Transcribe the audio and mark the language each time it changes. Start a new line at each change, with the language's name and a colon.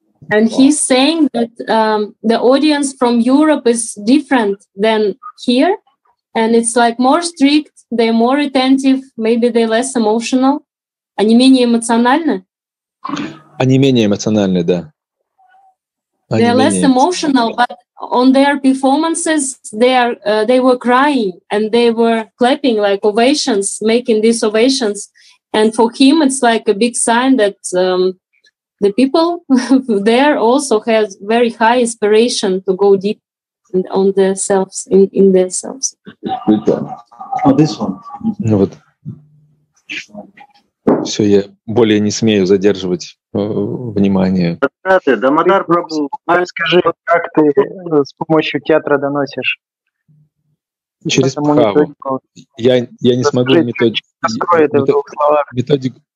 English: And he's saying that the audience from Europe is different than here, and it's like more strict, they're more attentive, maybe they're less emotional.
Russian: Они менее эмоциональны? Они менее эмоциональны, да. Они
English: they're less emotional, but on their performances, they were crying, and they were clapping, like ovations, making these ovations. And for him, it's like a big sign that... the people there also have very high aspiration to go deep on themselves, in themselves. Oh, this one.
Russian: Ну вот. Все, я более не смею задерживать внимание. Дамодар Прабху, скажи, как ты с помощью театра доносишь? Через пхаву. Я не смогу методику.